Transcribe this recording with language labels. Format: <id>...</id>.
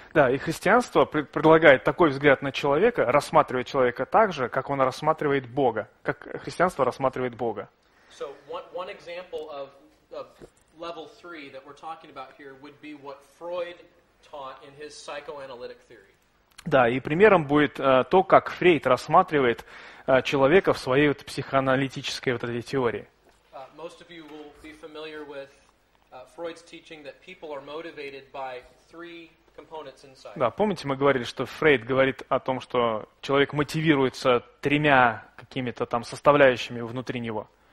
<ru>Да, и христианство предлагает такой взгляд на человека, рассматривает человека так же, как он рассматривает Бога, как христианство рассматривает Бога.</ru> <en>So one example of level 3 that we're talking about here would be what Freud taught in his psychoanalytic theory.</en> <ru>Да, и примером будет то, как Фрейд рассматривает человека в своей вот психоаналитической вот этой теории.</ru> <en>most of you will be familiar with Freud's teaching that people are motivated by three components inside.</en> <ru>Да, помните, мы говорили, что Фрейд говорит о том, что человек мотивируется тремя какими-то там составляющими внутри него.</ru>